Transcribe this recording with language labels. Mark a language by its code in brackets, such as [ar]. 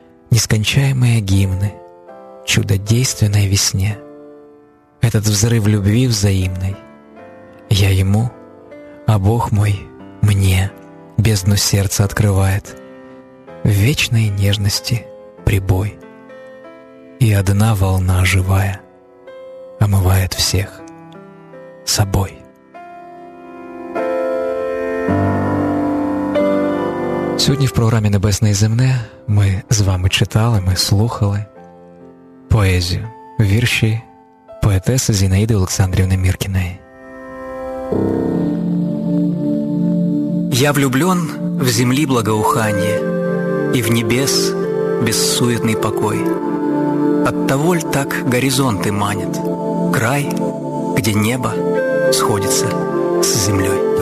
[ru] Нескончаемые гимны чудодейственной весне, этот взрыв любви взаимной, я ему, а Бог мой мне. Бездну сердца открывает в вечной нежности прибой, и одна волна живая омывает всех собой. [uk] Сьогодні в програмі «Небесне і земне» ми з вами читали, ми слухали поезію, вірші поетеси Зінаїди Олександрівни Міркіної. [ru] Я влюблен в земли благоуханье и в небес бессуетный покой. Оттого ль так горизонты манят, край, где небо сходится с землей.